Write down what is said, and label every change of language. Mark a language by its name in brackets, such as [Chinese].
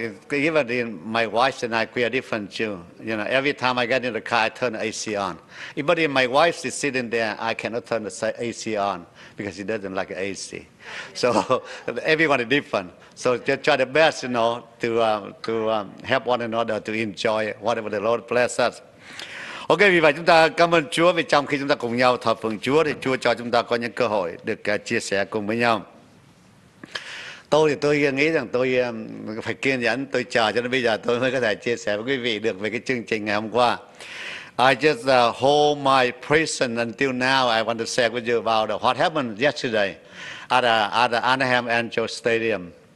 [English] Even in my wife and I, we are different too. You know, every time I get in the car, I turn the AC on. But if my wife is sitting there, I cannot turn the AC on because she doesn't like AC. So everyone is different. So just try the best, you know, to help one another to enjoy whatever the Lord bless us. [Vietnamese] Okay, vì vậy chúng ta cảm ơn Chúa vì trong khi chúng ta cùng nhau thờ phượng Chúa thì Chúa cho chúng ta có những cơ hội được chia sẻ cùng với nhau. Tôi thì tôi nghĩ rằng tôi phải kiên nhẫn, tôi chờ cho đến bây giờ tôi mới có thể chia sẻ với quý vị được về cái chương trình ngày hôm qua. [English] I just hold my prison until now. I want to share with you about what happened yesterday at the Anaheim Angels Stadium.